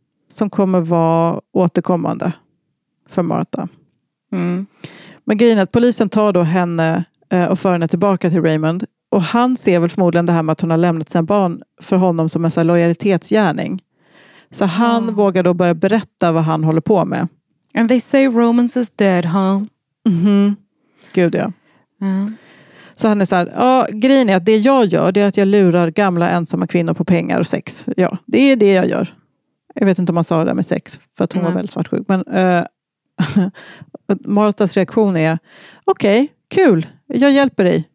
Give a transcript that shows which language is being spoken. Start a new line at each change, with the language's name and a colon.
Swedish: Som kommer vara återkommande för Martha. Mm. Men grejen är att polisen tar då henne och för henne tillbaka till Raymond. Och han ser väl förmodligen det här med att hon har lämnat sina barn för honom som en sån här lojalitetsgärning. Så han vågar då börja berätta vad han håller på med.
English: And they say Romans is dead, huh?
Swedish: Mm-hmm. Gud ja. Mm. Så han är så här, ja, grejen är att det jag gör det är att jag lurar gamla ensamma kvinnor på pengar och sex. Ja, det är det jag gör. Jag vet inte om man sa det där med sex för att hon var väldigt svartsjuk. Men Martas reaktion är, okej, kul. Jag hjälper dig.